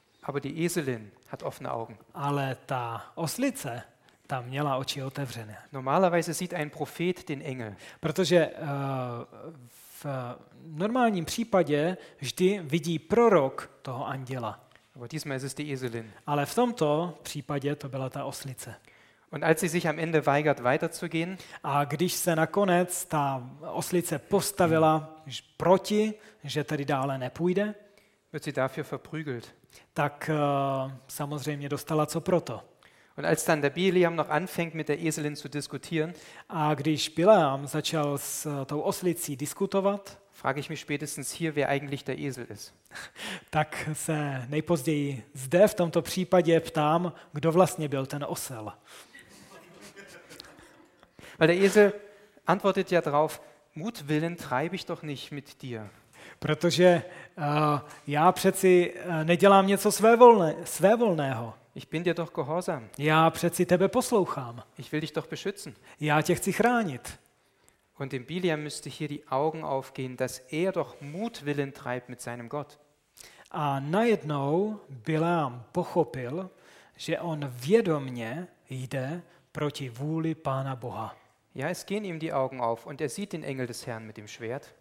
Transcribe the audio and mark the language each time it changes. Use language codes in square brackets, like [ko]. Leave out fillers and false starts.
[de] Aber die Eselin hat offene Augen. [cs] Ale ta oslice tam měla oči otevřené. [de] Normalerweise sieht ein Prophet den Engel. [cs] Protože v normálním případě vždy vidí prorok toho anděla. [de] Aber diesmal ist es die Eselin. [cs] Ale v tomto případě to byla ta oslice. [de] Und als sie sich am Ende weigert weiterzugehen, [cs] a když se nakonec ta oslice postavila proti, že tady dále nepůjde, [de] wird sie dafür verprügelt. [cs] Tak samozřejmě dostala co proto. [de] Und als dann der Biliam noch anfängt mit der Eselin zu diskutieren, [cs] a když Biliam začal s tou oslicí diskutovat, [de] frage ich mich spätestens hier, wer eigentlich der Esel ist. [cs] Tak se nejpozději zde v tomto případě ptám, kdo vlastně byl ten osel. [de] Weil der Esel antwortet ja drauf, mutwillen treibe ich doch nicht mit dir. [cs] Protože já přeci nedělám něco svévolného. [de] Ich bin dir doch gehorsam. [cs] Já přeci tebe poslouchám. [de] Ich will dich doch beschützen. [cs] Já tě chci chránit. [de] Und dem Biliam müsste hier die Augen aufgehen, dass er doch mutwillen treibt mit seinem Gott. [cs] A najednou Biliam pochopil, že on vědomně jde proti vůli Pána Boha. [de] Ja, es gehen ihm die Augen auf und er sieht den Engel des Herrn mit dem Schwert.